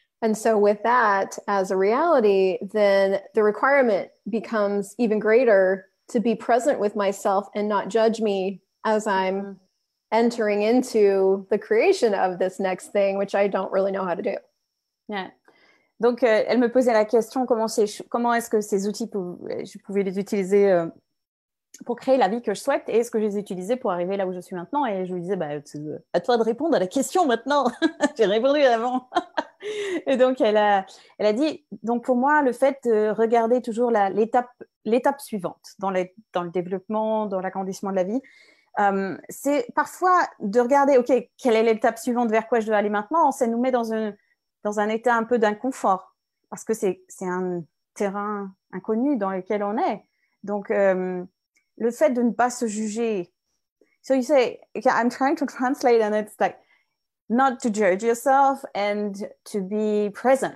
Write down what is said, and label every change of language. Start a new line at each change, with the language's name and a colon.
English: And so with that as a reality, then the requirement becomes even greater to be present with myself and not judge me as I'm entering into the creation of this next thing, which I don't really know how to do. Yeah.
French: Donc, elle me posait la question, comment est-ce que ces outils, je pouvais les utiliser pour créer la vie que je souhaite, et est-ce que je les utilisais pour arriver là où je suis maintenant? Et je lui disais, bah, à toi de répondre à la question maintenant. J'ai répondu avant. Et donc, elle a dit, donc pour moi, le fait de regarder toujours l'étape suivante dans le développement, dans l'agrandissement de la vie, c'est parfois de regarder, OK, quelle est l'étape suivante, vers quoi je dois aller maintenant? Ça nous met dans un état un peu d'inconfort, parce que c'est un terrain inconnu dans lequel on est. Donc, le fait de ne pas se juger.
English: So you say, okay, I'm trying to translate, and it's like, not to judge yourself and to be present.